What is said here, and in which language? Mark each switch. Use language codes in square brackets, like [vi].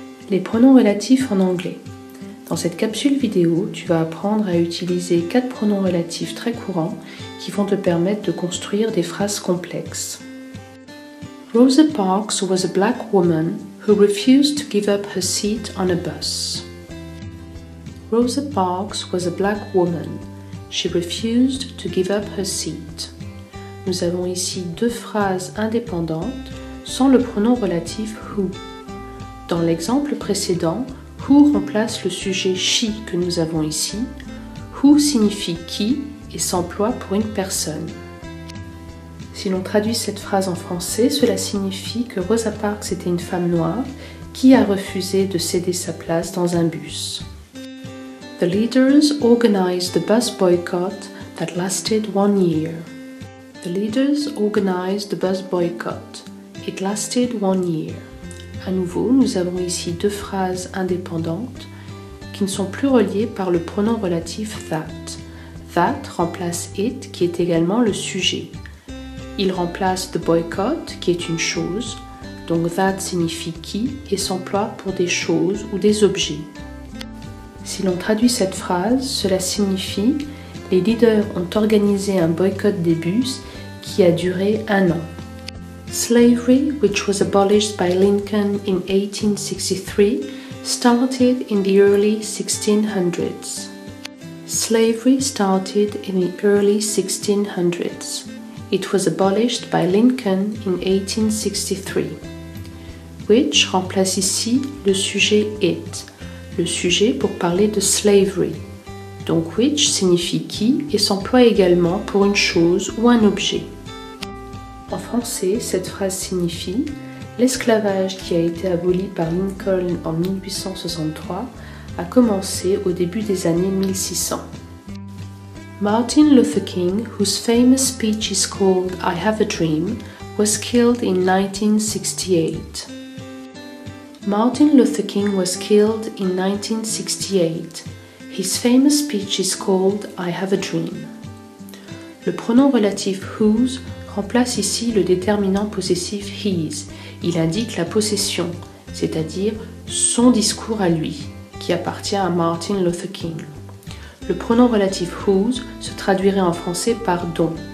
[fr] les pronoms relatifs en anglais. Dans cette capsule vidéo, tu vas apprendre à utiliser 4 pronoms relatifs très courants qui vont te permettre de construire des phrases complexes. [en] Rosa Parks was a black woman who refused to give up her seat on a bus. Rosa Parks was a black woman. She refused to give up her seat. [fr] Nous avons ici 2 phrases indépendantes sans le pronom relatif who. Dans l'exemple précédent, who remplace le sujet she que nous avons ici. Who signifie qui et s'emploie pour une personne. Si l'on traduit cette phrase en français, cela signifie que Rosa Parks était une femme noire qui a refusé de céder sa place dans un bus. [en] The leaders organized the bus boycott that lasted 1 year. The leaders organized the bus boycott. It lasted 1 year. [fr] À nouveau, nous avons ici 2 phrases indépendantes qui ne sont plus reliées par le pronom relatif that. That remplace it qui est également le sujet. Il remplace the boycott qui est une chose, donc that signifie qui et s'emploie pour des choses ou des objets. Si l'on traduit cette phrase, cela signifie « Les leaders ont organisé un boycott des bus qui a duré 1 an. » [en] Slavery, which was abolished by Lincoln in 1863, started in the early 1600s. Slavery started in the early 1600s. It was abolished by Lincoln in 1863. [fr] Which remplace ici le sujet « it ». Le sujet pour parler de slavery. Donc which signifie qui et s'emploie également pour une chose ou un objet. En français, cette phrase signifie l'esclavage qui a été aboli par Lincoln en 1863 a commencé au début des années 1600. [en] Martin Luther King, whose famous speech is called I Have a Dream, was killed in 1968. Martin Luther King was killed in 1968. His famous speech is called I Have a Dream. [fr] Le pronom relatif whose remplace ici le déterminant possessif his. Il indique la possession, c'est-à-dire son discours à lui, qui appartient à Martin Luther King. Le pronom relatif whose se traduirait en français par dont.